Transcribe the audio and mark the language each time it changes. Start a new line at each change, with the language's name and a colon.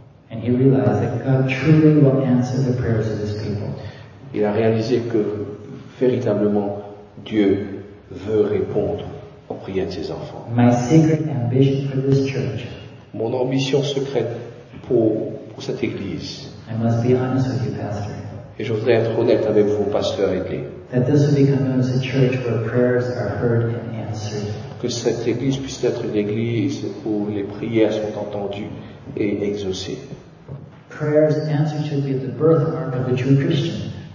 English: And he realized that God truly will answer the prayers of his people.
French: Il a réalisé que véritablement Dieu veut répondre aux prières de ses enfants.
English: My secret ambition for this church.
French: Mon ambition secrète pour cette église.
English: I must be honest with you, pastor.
French: Et je voudrais être honnête avec vous, pasteur Edley.
English: That this will become known as a church where prayers are heard and answered.
French: Que cette église puisse être une église où les prières sont entendues et exaucées.
English: Prayers answered should be the birthmark of a true Christian.